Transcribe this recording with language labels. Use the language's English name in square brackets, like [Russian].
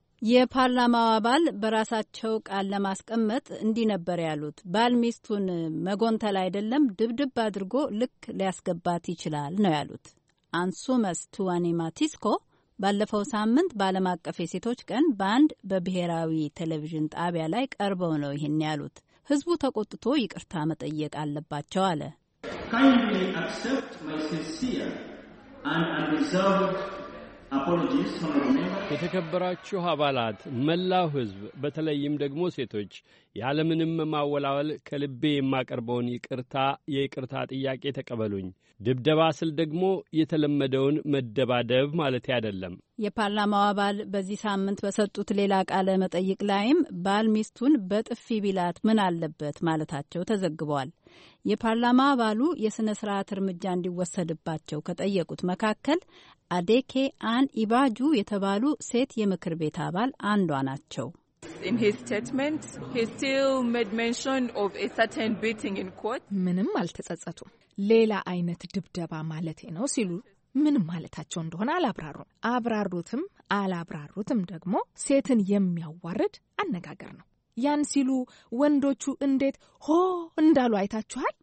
[Amharic] የፓርላማው አባል በራሳቸው ቃል ለማስቀመጥ እንዲህ ነበር ያሉት፣ ባል ሚስቱን መጎንተል አይደለም ድብድብ አድርጎ ልክ ሊያስገባት ይችላል ነው ያሉት። አንሱመስ ቱዋኒ ማቲስኮ ባለፈው ሳምንት በዓለም አቀፍ የሴቶች ቀን በአንድ በብሔራዊ ቴሌቪዥን ጣቢያ ላይ ቀርበው ነው ይህን ያሉት። ህዝቡ ተቆጥቶ ይቅርታ መጠየቅ አለባቸው አለ። [English] Kindly accept my sincere and undeserved apologies from the members. [Amharic] የተከበራችሁ አባላት፣ መላው ህዝብ፣ በተለይም ደግሞ ሴቶች፣ ያለምንም ማወላወል ከልቤ የማቀርበውን የይቅርታ ጥያቄ ተቀበሉኝ። ድብደባ ስል ደግሞ የተለመደውን መደባደብ ማለት አይደለም። የፓርላማው አባል በዚህ ሳምንት በሰጡት ሌላ ቃለ መጠይቅ ላይም ባል ሚስቱን በጥፊ ቢላት ምን አለበት ማለታቸው ተዘግቧል። የፓርላማ አባሉ የሥነ ሥርዓት እርምጃ እንዲወሰድባቸው ከጠየቁት መካከል አዴኬ አን ኢባጁ የተባሉ ሴት የምክር ቤት አባል አንዷ ናቸው። [English] In his statement, he still made mention of a certain beating in court. [Amharic] ምንም አልተጸጸቱም። ሌላ አይነት ድብደባ ማለቴ ነው ሲሉ ምን ማለታቸው እንደሆነ አላብራሩትም ደግሞ ሴትን የሚያዋርድ አነጋገር ነው። ያን ሲሉ ወንዶቹ እንዴት ሆ እንዳሉ አይታችኋል?